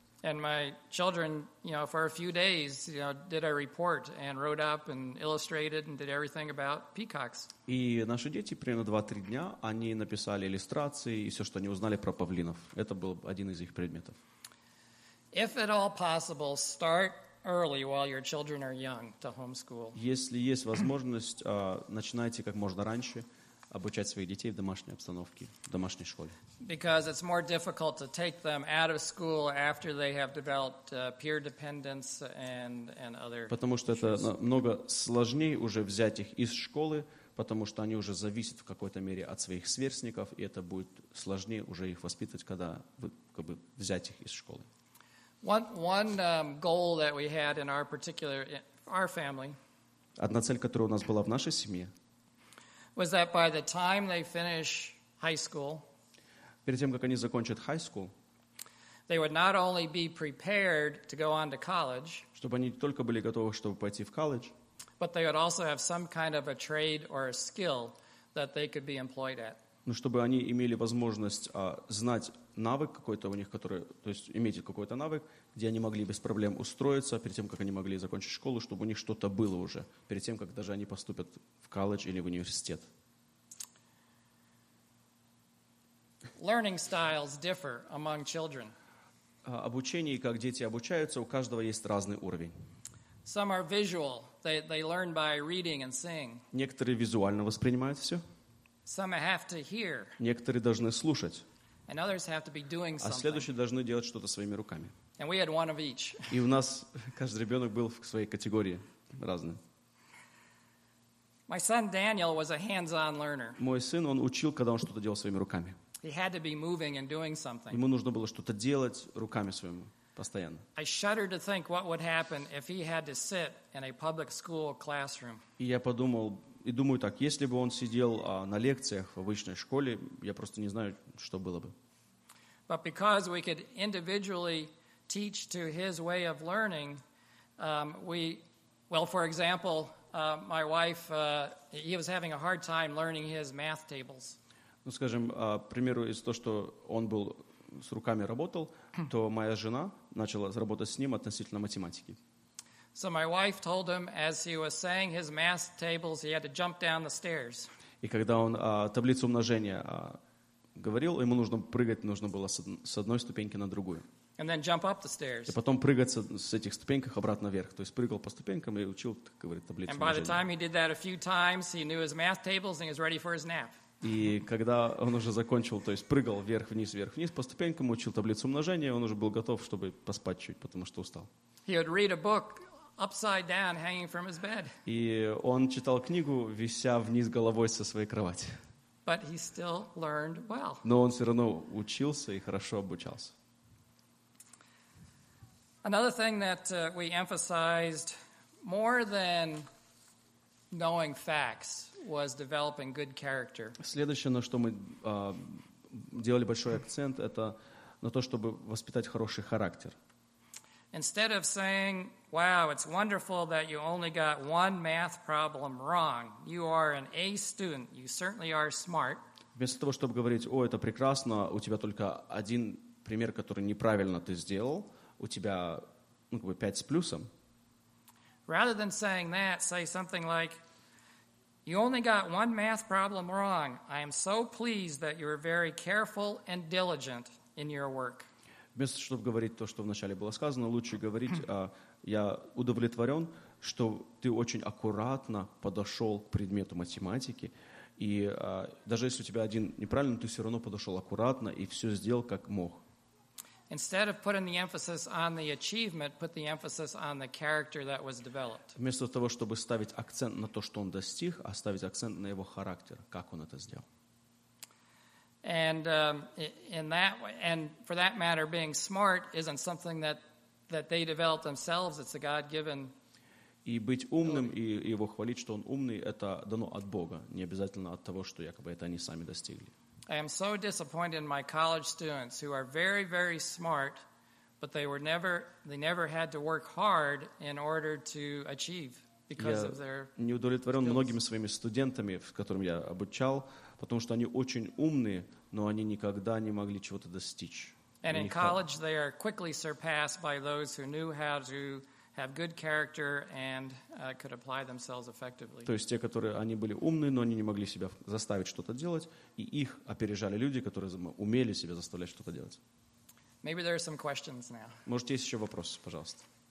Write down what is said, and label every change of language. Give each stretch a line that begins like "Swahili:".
English: And my children, you know, for a few days, you know, did a report and wrote up and illustrated and did everything about peacocks.
Russian: И наши дети примерно 2-3 дня они написали иллюстрации и все, что они узнали про павлинов. Это был один из их предметов.
English: If at all possible, start early while your children are young to homeschool.
Russian: Если есть возможность, начинайте как можно раньше обучать своих детей в домашней обстановке, в домашней школе.
English: Because it's more difficult to take them out of school after they have developed peer dependence and other.
Russian: Потому что это намного сложнее уже взять их из школы, потому что они уже зависят в какой-то мере от своих сверстников, и это будет сложнее уже их воспитывать, когда вы, как бы, взять их из школы.
English: One goal that we had in our particular our family.
Russian: Одна цель, которая у нас была в нашей семье,
English: was that by the time they finish high school,
Russian: перед тем, как они закончат high school,
English: they would not only be prepared to go on to college,
Russian: чтобы они только были готовы, чтобы пойти в колледж,
English: but they would also have some kind of a trade or a skill that they could be employed at.
Russian: Ну, чтобы они имели возможность знать навык какой-то у них, который, то есть иметь какой-то навык, где они могли без проблем устроиться перед тем, как они могли закончить школу, чтобы у них что-то было уже, перед тем, как даже они поступят в колледж или в университет.
English: Learning styles differ among children.
Russian: Обучение, как дети обучаются, у каждого есть разный уровень.
English: Some are visual. They learn by reading and seeing.
Russian: Некоторые визуально воспринимают все.
English: Some have to hear.
Russian: Некоторые должны слушать.
English: And others have to be doing something.
Russian: А следующие должны делать что-то своими руками.
English: And we had one of each.
Russian: И у нас каждый ребенок был в своей категории разный.
English: My son Daniel was a hands-on learner.
Russian: Мой сын, он учил, когда он что-то делал своими руками.
English: He had to be moving and doing something.
Russian: Ему нужно было что-то делать руками своими постоянно.
English: I shudder to think what would happen if he had to sit in a public school classroom.
Russian: И я подумал, и думаю так, если бы он сидел на лекциях в обычной школе, я просто не знаю, что было бы.
English: But because we could individually teach to his way of learning, for example, my wife, he was having a hard time learning his math tables.
Russian: Ну, скажем, к примеру, из-за того, что он был с руками работал, то моя жена начала работать с ним относительно математики.
English: So my wife told him as he was saying his math tables, he had to jump down the stairs.
Russian: И когда он таблицу умножения говорил, ему нужно прыгать, нужно было с одной ступеньки на другую.
English: And then jump up the stairs.
Russian: И потом прыгать с этих ступеньках обратно вверх. То есть прыгал по ступенькам и учил, как говорит, таблицу умножения.
English: And by the time he did that a few times, he knew his math tables and he was ready for his nap.
Russian: И когда он уже закончил, то есть прыгал вверх-вниз по ступенькам, учил таблицу умножения, он уже был готов, чтобы поспать чуть, потому что устал.
English: He would read a book upside down, hanging from his bed.
Russian: И он читал книгу, вися вниз головой со своей кровати.
English: But he still learned well.
Russian: Но он все равно учился и хорошо обучался.
English: Another thing that we emphasized more than knowing facts was developing good character.
Russian: Следующее, на что мы делали большой акцент, это на то, чтобы воспитать хороший характер.
English: Instead of saying, "Wow, it's wonderful that you only got one math problem wrong. You are an A student. You certainly are smart."
Russian: Вместо того, чтобы говорить, "О, это прекрасно, у тебя только один пример, который неправильно ты сделал, у тебя, ну, как бы 5 с плюсом."
English: Rather than saying that, say something like, "You only got one math problem wrong. I am so pleased that you are very careful and diligent in your work."
Russian: Вместо того, чтобы говорить то, что вначале было сказано, лучше говорить, я удовлетворен, что ты очень аккуратно подошел к предмету математики, и даже если у тебя один неправильный, ты все равно подошел аккуратно и все сделал как мог.
English: Instead of putting the emphasis on the achievement, put the emphasis on the character that was developed.
Russian: Вместо того, чтобы ставить акцент на то, что он достиг, а ставить акцент на его характер, как он это сделал.
English: And for that matter, being smart isn't something that they developed themselves. It's a God-given.
Russian: И быть умным и его хвалить, что он умный, это дано от Бога, не обязательно от того, что якобы это они сами достигли.
English: I am so disappointed in my college students who are very, very smart, but they never had to work hard in order to achieve because of their.
Russian: Я не удовлетворен многими своими студентами, в которых я обучал, потому что они очень умные, но они никогда не могли чего-то достичь.
English: And in college, they are quickly surpassed by those who knew how to have good character and could apply themselves effectively.
Russian: То есть те, которые они были умные, но они не могли себя заставить что-то делать, и их опережали люди, которые умели себя заставлять что-то делать.
English: Maybe there are some questions now.
Russian: Может, есть еще вопросы, пожалуйста.